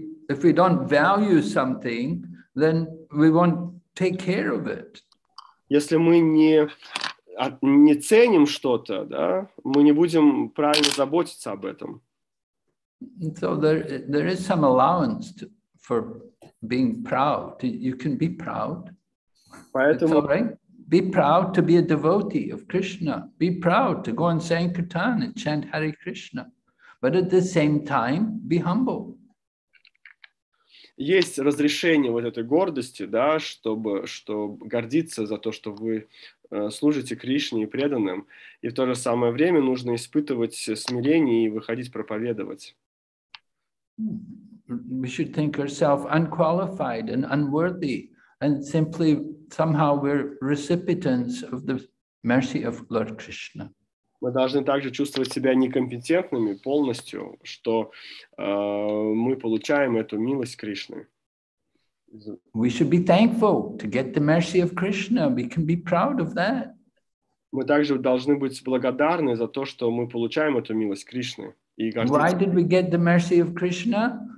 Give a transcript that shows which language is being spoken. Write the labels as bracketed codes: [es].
[en] If we don't value something, then we won't take care of it. [ru] Если мы не ценим что-то, да, мы не будем правильно заботиться об этом. [en] So there is some allowance for being proud. You can be proud. [ru] Поэтому, [en] it's all right. Be proud to be a devotee of Krishna. Be proud to go and sankirtan and chant Hare Krishna. But at the same time, be humble. [ru] Есть разрешение вот этой гордости, да, чтобы гордиться за то, что вы служите Кришне и преданным. И в то же самое время нужно испытывать смирение и выходить проповедовать. [en] we should think ourselves unqualified and unworthy, and simply somehow we're recipients of the mercy of Lord Krishna. [ru] Мы должны также чувствовать себя некомпетентными полностью, что мы получаем эту милость Кришны. [en] We should be thankful to get the mercy of Krishna. We can be proud of that. [ru] Мы также должны быть благодарны за то, что мы получаем эту милость Кришны. [en] И Why did we get the mercy of Krishna?